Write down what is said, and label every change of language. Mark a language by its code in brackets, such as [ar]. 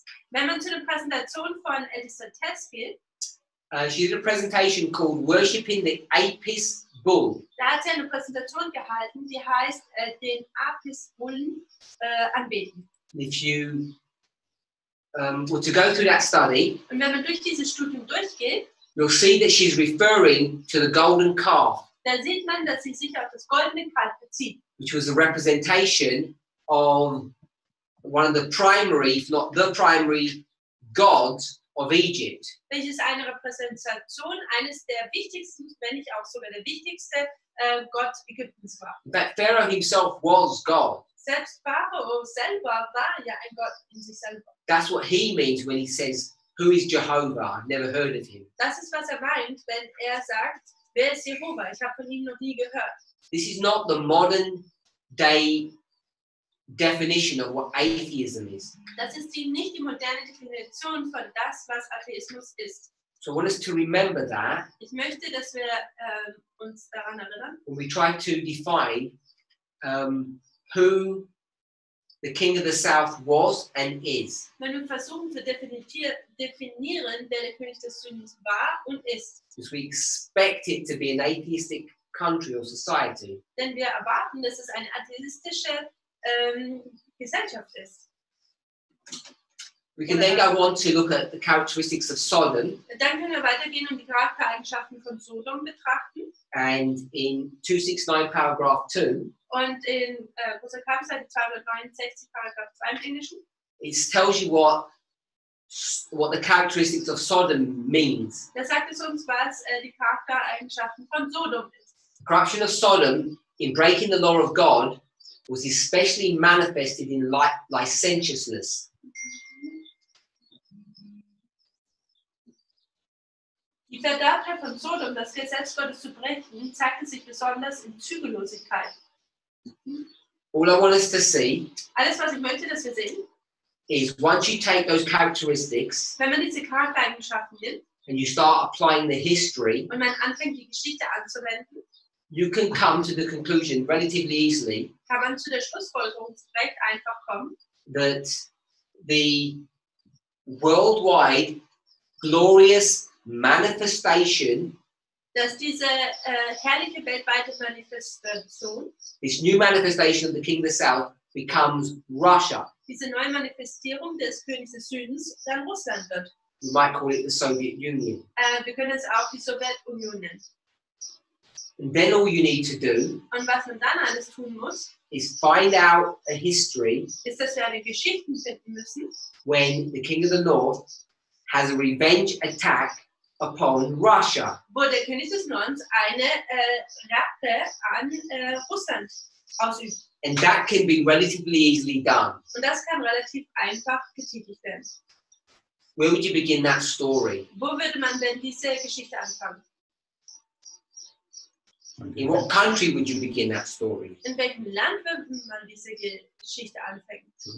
[de] wenn man zu einer Präsentation von Elder Tess geht, [en] she did a presentation called "Worshipping the Apis Bull." [de] Da hat sie eine Präsentation gehalten, die heißt "Den Apis Bullen anbeten." [en] If you were to go through that study, [de] und wenn man durch dieses Studium durchgeht. [en] You'll see that she's referring to the golden calf. [de] Da sieht man, dass sie sich auf das goldene Kalb bezieht. [en] Which was a representation of one of the primary, if not the primary, gods of Egypt. [de] Welches eine Repräsentation eines der wichtigsten, wenn nicht auch sogar der wichtigste Gott Ägyptens war. [en] But Pharaoh himself was God. [de] Selbst Pharao selber war ja ein Gott in sich selber. [en] That's what he means when he says. Who is Jehovah? I've never heard of him. [de] Das ist, was meint, wenn sagt, wer ist Jehovah? Ich habe von ihm noch nie gehört. [en] This is not the modern day definition of what atheism is. [de] Das ist die nicht die moderne Definition von das, was Atheismus ist. [en] So I want us to remember that. [de] Ich möchte, dass wir uns daran erinnern. [en] When we try to define who the king of the south was and is. [de] Wenn wir versuchen zu definieren, wer der König des Südens war und ist. [en] Because we expect it to be an atheistic country or society. [de] Denn wir erwarten, dass es eine atheistische Gesellschaft ist. [en] We can then go on to look at the characteristics of Sodom. [de] Dann können wir weitergehen und die Charaktereigenschaften von Sodom betrachten. [en] And in 269 paragraph 2. [de] Und in großer Kapitelseite 269 paragraph 2 im Englischen. [en] It tells you what the characteristics of Sodom means. [de] Da sagt es uns, was die Charaktereigenschaften von Sodom ist. [en] The corruption of Sodom in breaking the law of God was especially manifested in licentiousness. [de] Die Verderbtheit von Sodom, das Gesetz Gottes zu brechen, zeigte sich besonders in Zügellosigkeit. [en] All I want us to see, [de] alles, was ich möchte, dass wir sehen, [en] is once you take those characteristics, [de] wenn man diese Charaktereigenschaften nimmt, [en] and you start applying the history, [de] und man anfängt, die Geschichte anzuwenden, [en] you can come to the conclusion relatively easily, [de] kann man zu der Schlussfolgerung recht einfach kommen, [en] that the worldwide glorious manifestation, [de] dass diese herrliche weltweite Manifestation, [en] this new manifestation of the King of the South becomes Russia. [de] Diese neue Manifestierung des Königs des Südens dann Russland wird. [en] We might call it the Soviet Union. [de] Wir können es auch die Sowjetunion nennen. [en] And then all you need to do, [de] und was man dann alles tun muss, [en] is find out a history, [de] ist, dass wir eine Geschichte finden müssen, [en] when the King of the North has a revenge attack upon Russia. [de] Wo der König des Nordens eine Rache an Russland ausübt. [en] And that can be relatively easily done. [de] Und das kann relativ einfach getätigt werden. [en] Where would you begin that story? [de] Wo würde man denn diese Geschichte anfangen? [en] In what country would you begin that story? [de] In welchem Land würde man diese Geschichte anfangen?